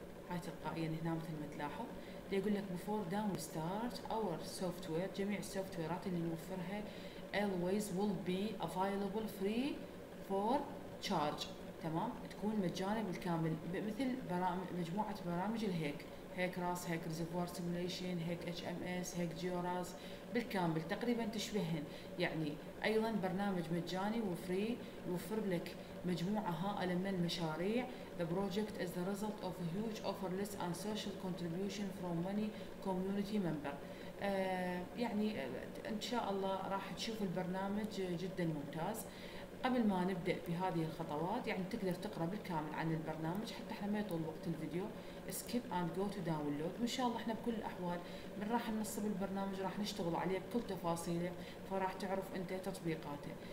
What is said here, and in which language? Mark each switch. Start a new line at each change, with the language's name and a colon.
Arabic: هاي تلقائيا هنا مثل ما تلاحظ يقول لك
English: before download start our software،
Arabic: جميع السوفتويرات اللي نوفرها
English: always will be available free for charge،
Arabic: تمام، تكون مجانا بالكامل، مثل مجموعة برامج الهيك، هيك راس، هيك ريزرفوار سيميليشن، هيك اتش ام اس، هيك جيوراز، بالكامل تقريبا تشبههن. يعني ايضا برنامج مجاني وفري يوفر لك مجموعة هائلة من المشاريع.
English: The project is the result of a huge offer list and social contribution from many community members.
Arabic: يعني ان شاء الله راح تشوف البرنامج جدا ممتاز. قبل ما نبدأ بهذه الخطوات، يعني تقدر تقرأ بالكامل عن البرنامج حتى احنا ما يطول وقت الفيديو،
English: skip and go to download.
Arabic: وان شاء الله احنا بكل الاحوال من راح ننصب البرنامج راح نشتغل عليه بكل تفاصيله، فراح تعرف انت تطبيقاته.